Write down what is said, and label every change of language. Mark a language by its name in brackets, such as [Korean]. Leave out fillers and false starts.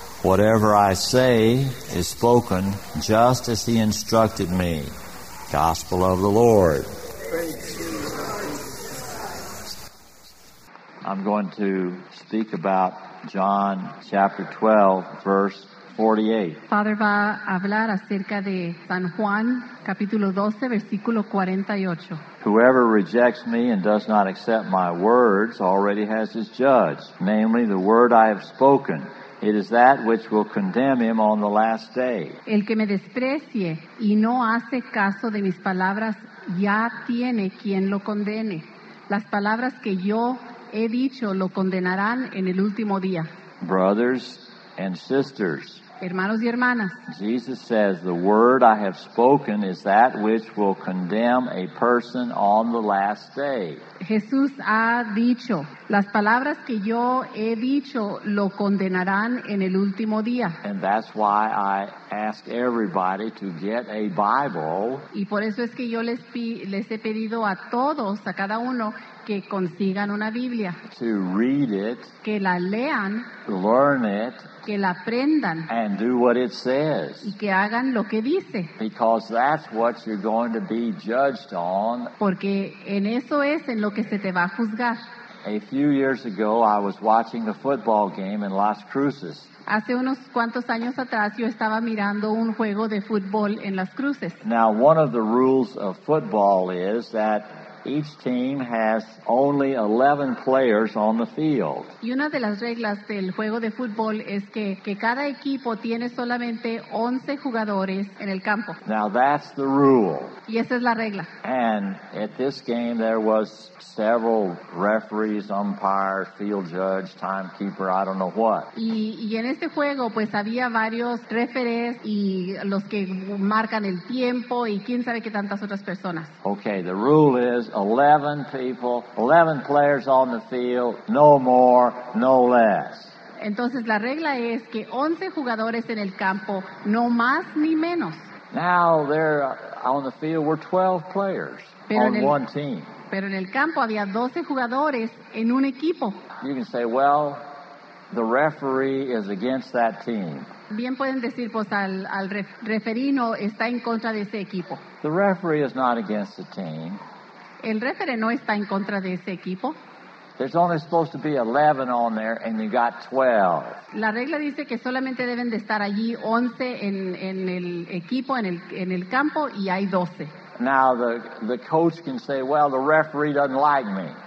[English] Whatever I say is spoken just as he instructed me. Gospel of the Lord. I'm going to speak about John chapter 12, verse 48. [Spanish] Father va a hablar acerca de San Juan, capítulo 12, versículo 48. [English] Whoever rejects me and does not accept my words already has his judge, namely the word I have spoken. It is that which will condemn him on the last day. [Spanish] El que me desprecie y no hace caso de mis palabras, ya tiene quien lo condene. Las palabras que yo he dicho lo condenarán en el último día. [English] Brothers and sisters. [Spanish] Hermanos y hermanas. [English] Jesus says, the word I have spoken is that which will condemn a person on the last day. [Spanish] Jesús ha dicho, las palabras que yo he dicho lo condenarán en el último día. [English] And that's why I ask everybody to get a Bible. [Spanish] Y por eso es que yo les he pedido a todos, a cada uno, que consigan una Biblia. [English] To read it. [Spanish] Que la lean. [English] Learn it. [Spanish] Que la aprendan. [English] And do what it says. [Spanish] Y que hagan lo que dice. [English] Because that's what you're going to be judged on. [Spanish] Porque en eso es en lo que se te va a juzgar. [English] A few years ago, I was watching the football game in Las Cruces. [Spanish] Hace unos cuantos años atrás, yo estaba mirando un juego de fútbol en Las Cruces. [English] Now, one of the rules of football is that each team has only 11 players on the field. [Spanish] Y una de las reglas del juego de fútbol es que cada equipo tiene solamente 11 jugadores en el campo. [English] Now that's the rule. [Spanish] Y esa es la regla. [English] And at this game there was several referees, umpires, field judge, timekeeper, I don't know what. [Spanish] Y en este juego pues había varios referees y los que marcan el tiempo y quién sabe qué tantas otras personas. [English] Okay, the rule is 11 people, 11 players on the field, no more, no less. [Spanish] Entonces la regla es que 11 jugadores en el campo, no más ni menos. [English] Now there on the field were 12 players on one team. [Spanish] Pero en el campo había 12 jugadores en un equipo. [English] You can say, well, the referee is against that team. [Spanish] Bien pueden decir, pues, al referí no está en contra de ese equipo. [English] The referee is not against the team. [Spanish] El referee no está en contra de ese equipo. [English] There's only supposed to be 11 on there and you got 12. [Spanish] La regla dice que solamente deben de estar allí 11 en el equipo, en el campo, y hay 12. [English] Now the coach can say, well, the referee doesn't like me.